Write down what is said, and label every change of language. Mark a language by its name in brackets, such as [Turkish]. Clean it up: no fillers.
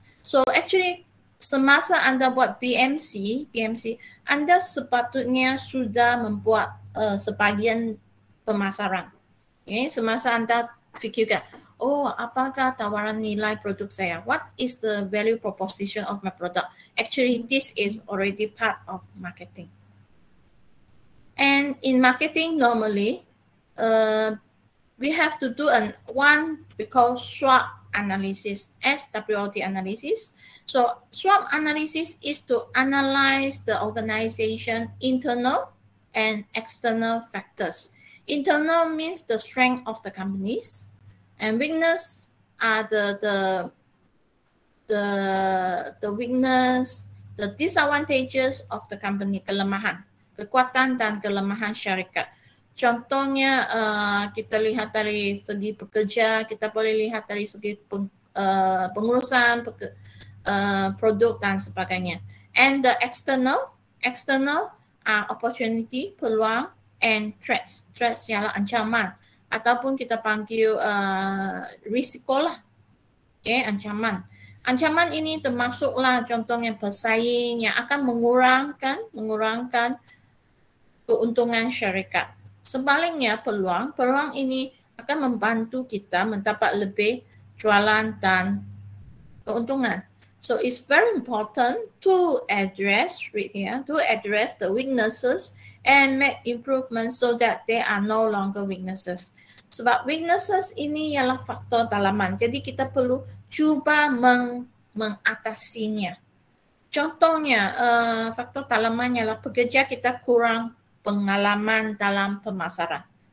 [Malay] So actually, semasa anda buat BMC, anda sepatutnya sudah membuat sebagian pemasaran. Okay, semasa anda fikirkan, oh, apakah tawaran nilai produk saya? [English] What is the value proposition of my product? Actually, this is already part of marketing. And in marketing, normally, we have to do one we call SWOT analysis, SWOT analysis. So SWOT analysis is to analyze the organization internal and external factors. Internal means the strength of the companies, and weakness are the weakness, the disadvantages of the company, [Malay] kelemahan, kekuatan dan kelemahan syarikat. Contohnya kita lihat dari segi pekerja, kita boleh lihat dari segi pengurusan, produk dan sebagainya. [English] And the external are opportunity, peluang, and threats. [Malay] Threats ialah ancaman ataupun kita panggil risiko lah. Okay, ancaman. Ancaman ini termasuklah contohnya pesaing yang akan mengurangkan keuntungan syarikat. Sebaliknya peluang ini akan membantu kita mendapat lebih jualan dan keuntungan. [English] So it's very important to address right here, to address the weaknesses and make improvements so that they are no longer weaknesses. [Malay] Sebab weaknesses ini ialah faktor dalaman. Jadi kita perlu cuba mengatasinya. Contohnya faktor dalaman ialah pekerja kita kurang pengalaman dalam pemasaran.